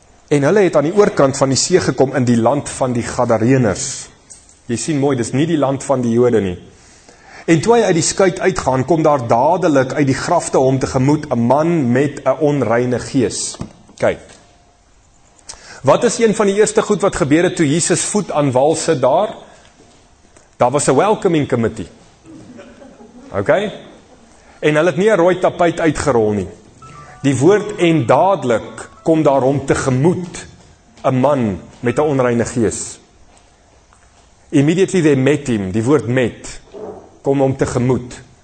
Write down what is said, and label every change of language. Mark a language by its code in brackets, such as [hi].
[af] En hulle het aan die oorkant van die see gekom in die land van die Gadareners. Jy sien mooi, dis nie die land van die Jode nie. En toe hy uit die skuit uitgaan, kom daar dadelik uit die grafte hom tegemoet 'n man met 'n onreine gees. Kyk. Wat is een van die eerste goed wat gebeur het toe Jesus voet aan wal sit daar? Daar was 'n [en] welcoming committee. [af] Oké. Okay? En hulle het nie 'n rooi tapijt uitgerol nie. Die woord en dadelik kom daar hom tegemoet 'n man met 'n onreine gees. [en] Immediately they met him, [af] die woord met kom hom tegemoet.